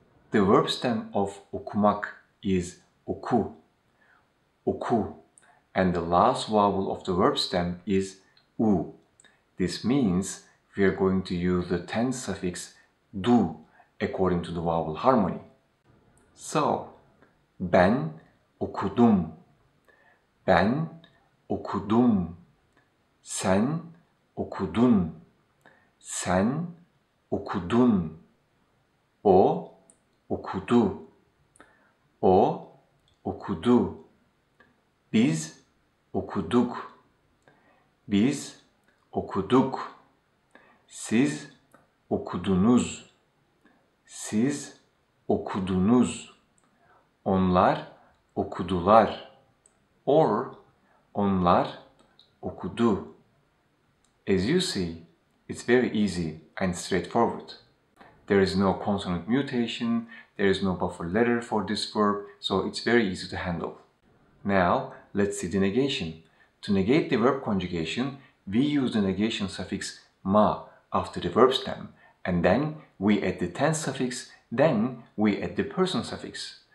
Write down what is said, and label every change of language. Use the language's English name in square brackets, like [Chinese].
[English] The verb stem of okumak is oku, oku, and the last vowel of the verb stem is u. This means we are going to use the tense suffix du according to the vowel harmony. [Turkish] So, ben okudum, ben okudum, sen okudun, sen okudun, o okudu, o okudu, biz okuduk, biz okuduk, siz okudunuz, siz okudunuz, onlar okudular, or onlar okudu. [English] As you see, it's very easy and straightforward. There is no consonant mutation, there is no buffer letter for this verb, so it's very easy to handle. Now, let's see the negation. To negate the verb conjugation, we use the negation suffix ma after the verb stem, and then we add the tense suffix, then we add the person suffix.